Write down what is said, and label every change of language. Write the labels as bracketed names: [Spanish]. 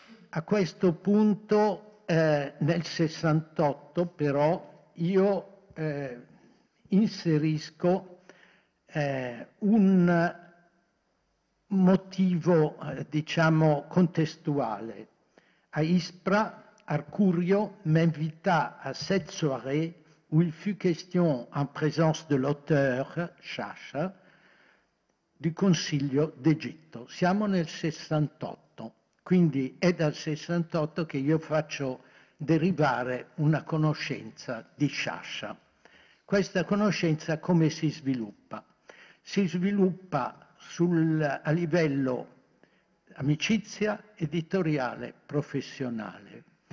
[Italian] A questo punto, nel 68, però, io inserisco un motivo, diciamo, contestuale. A Ispra, Arcurio m'invita a [French] cette soirée où il fut question, en présence de l'auteur, Sciascia, di Consiglio d'Egitto. [Italian] Siamo nel 68, quindi è dal 68 che io faccio derivare una conoscenza di Sciascia. Questa conoscenza come si sviluppa? Si sviluppa a livello amicizia, editoriale, professionale.